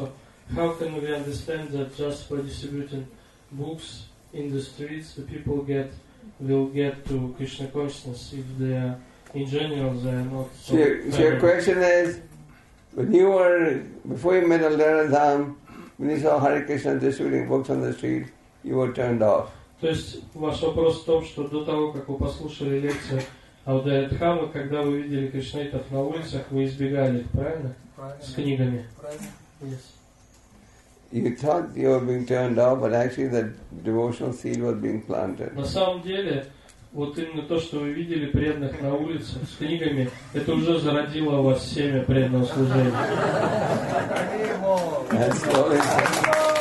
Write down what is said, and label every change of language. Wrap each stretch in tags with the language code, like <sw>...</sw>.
<en>So how can we understand that just by distributing books in the streets, the people will get to Krishna consciousness if they are, in general, they are not... So your question is, before you met Aldera Dham, when you saw Hare Krishna distributing books on the street, you were turned off.</en> <ru>То есть ваш вопрос в том, что до того, как вы послушали лекцию Аудая Дхамы, когда вы видели кришнаитов на улицах, вы избегали их, правильно? Правильно. С книгами. Правильно.</ru> <en>Yes. You thought you were being turned off, but actually the devotional seed was being planted.</en> <ru>На самом деле, вот именно то, что вы видели преданных на улице с книгами, это уже зародило у вас семя преданного служения.</ru>